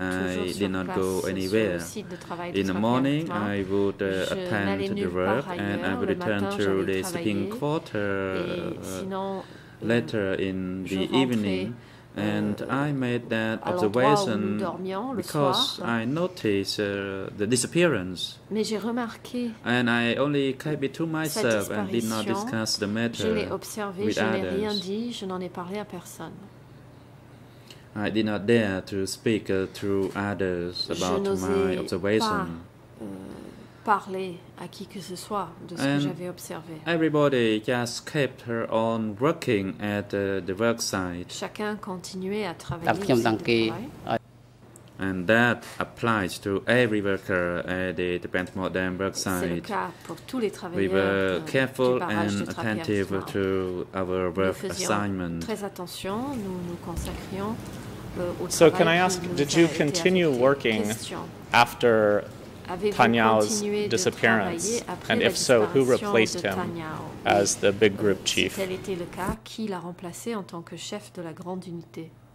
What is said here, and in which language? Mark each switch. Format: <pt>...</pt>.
<en>I did not go anywhere. In the morning, I would attend the work and I would return to the sleeping quarter later in the evening. And I made that observation because I noticed the disappearance.</en> <fr>Mais j'ai remarqué.</fr> <en>And I only kept it to myself and did not discuss the matter with others.</en> <fr>Je l'ai observé, je n'ai rien dit, je n'en ai parlé à personne.</fr> <en>I did not dare to speak to others about my observation.</en> <fr>Je n'osais pas parler à qui que ce soit de ce que j'avais observé.</fr> <en>Everybody just kept on working at the work site.</en> <fr>Chacun continuait à travailler sur le travail.</fr> <en>And that applies to every worker at the Bentmore Dam work site.</en> <fr>C'est le cas pour tous les travailleurs.</fr> <en>We were careful and attentive to our work assignment.</en> <fr>Très attention, nous consacrions</fr> <en>So can I ask, did you continue working after Tanyao's disappearance? And if so, who replaced him as the big group chief?</en> <fr>Si tel était le cas, qui l'a remplacé en tant que chef de la grande unité?</fr>